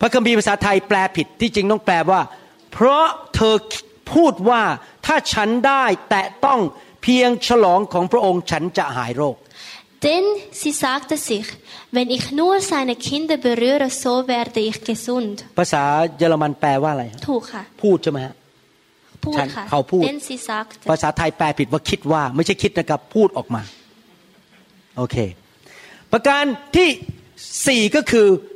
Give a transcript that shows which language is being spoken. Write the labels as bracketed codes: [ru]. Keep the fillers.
[th] พระคัมภีร์ภาษาไทยแปลผิดที่จริงต้องแปลว่า เพราะเธอพูดว่าถ้าฉันได้แตะต้องพียงฉลองของพระองค์ฉันจะหายโรค [de] Denn sie sagte sich, wenn ich nur seine Kinder berühre, so werde ich gesund. [th] ภาษาเยอรมันแปลว่าอะไร ถูกค่ะ พูดใช่ไหมฮะ พูดค่ะเขาพูด [de] Denn sie sagte. [th] ภาษาไทยแปลผิดว่าคิดว่า ไม่ใช่คิดนะครับพูดออกมา โอเค ประการที่สี่ก็คือ